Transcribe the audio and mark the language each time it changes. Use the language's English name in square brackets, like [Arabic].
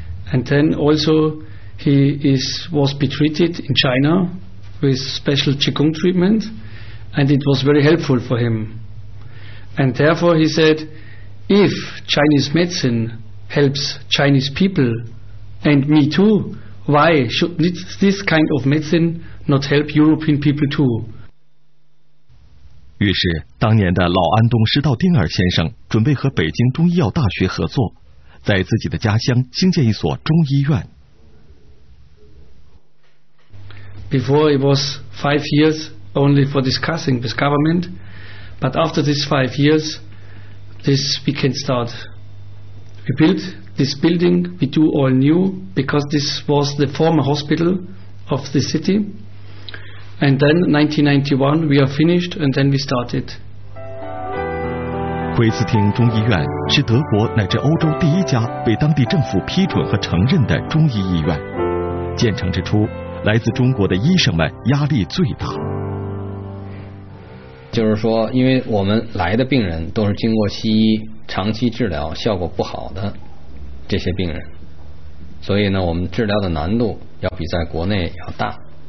[English] And then also he was be treated in China with special Qigong treatment, and it was very helpful for him. And therefore he said, if Chinese medicine helps Chinese people and me too, why should this kind of medicine not help European people too? [Chinese] 于是当年的老安东施道丁尔先生准备和北京中医药大学合作，在自己的家乡兴建一所中医院。 [English] Before it was 5 years only for discussing with government, but after these 5 years this we can start. We built this building, we do all new because this was the former hospital of the cityAnd then 1991, we are finished, and then we started. [Chinese] 奎斯汀中医院是德国乃至欧洲第一家被当地政府批准和承认的中医医院。建成之初，来自中国的医生们压力最大。就是说，因为我们来的病人都是经过西医长期治疗效果不好的这些病人，所以呢，我们治疗的难度要比在国内要大。